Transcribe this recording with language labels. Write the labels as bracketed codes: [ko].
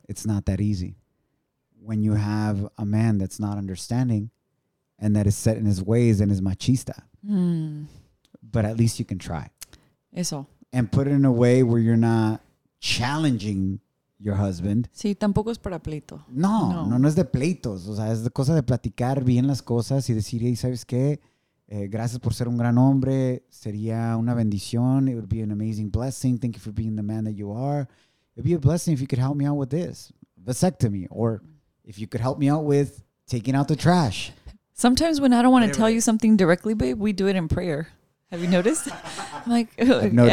[en] It's not that easy. When you have a man that's not understanding and that is set in his ways and is machista. Mm. But at least you can try. [es] Eso. [en] And put it in a way where you're not challenging your husband. [es] Sí, tampoco es para pleito. No, es de pleitos. O sea, es de cosa de platicar bien las cosas y decir, hey, ¿sabes qué? Gracias por ser un gran hombre. Sería una bendición. [en] It would be an amazing blessing. Thank you for being the man that you are. It'd be a blessing if you could help me out with this. Vasectomy. Or if you could help me out with taking out the trash. Sometimes when I don't want to tell you something directly, babe, we do it in prayer. Have you noticed? I've noticed.